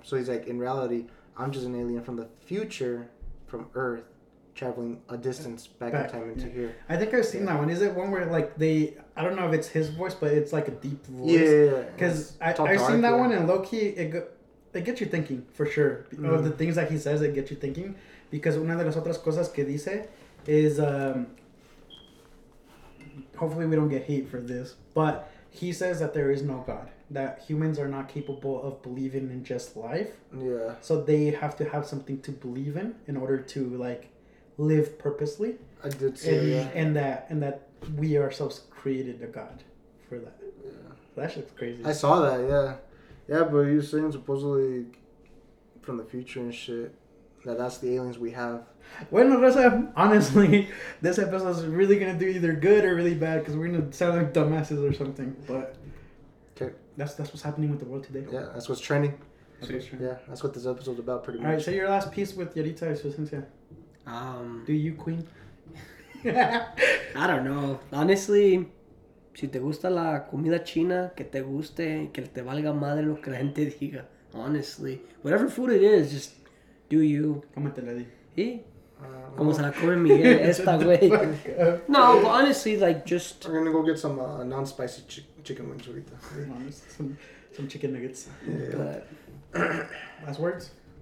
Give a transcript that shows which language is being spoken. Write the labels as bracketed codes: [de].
[en] So he's like, in reality, I'm just an alien from the future, from Earth. Traveling a distance back in time into here. I think I've seen that one. Is it one where, like, they... I don't know if it's his voice, but it's, like, a deep voice. Yeah, yeah, yeah. Because I've seen that one, and low-key, it gets you thinking, for sure. Mm-hmm. Of the things that he says, it gets you thinking. Because [es] una de las otras cosas que dice is... [en] hopefully, we don't get hate for this. But he says that there is no God. that humans are not capable of believing in just life. Yeah. So they have to have something to believe in order to, like, live purposely. I did say that. And that we ourselves created a God for that. Yeah. That shit's crazy. I saw that, yeah. Yeah, but you're saying supposedly from the future and shit, that's the aliens we have. Bueno, Rosa, honestly, this episode is really going to do either good or really bad because we're going to sound like dumbasses or something, but... Okay. That's what's happening with the world today. Yeah, that's what's trending. Okay. Yeah, that's what this episode's about pretty much. All right, so your last piece with Yaritza is Vicencia. Do you, queen? I don't know. [es] Honestly, si te gusta la comida china, que te guste, que te valga madre lo que la gente diga. [en] Honestly. Whatever food it is, just do you. [es] Come te la di. ¿Sí? Como se la come Miguel esta güey. [en] No, but honestly, like, just... I'm going to go get some non-spicy chicken wings ahorita. some chicken nuggets. Yeah. But, last words?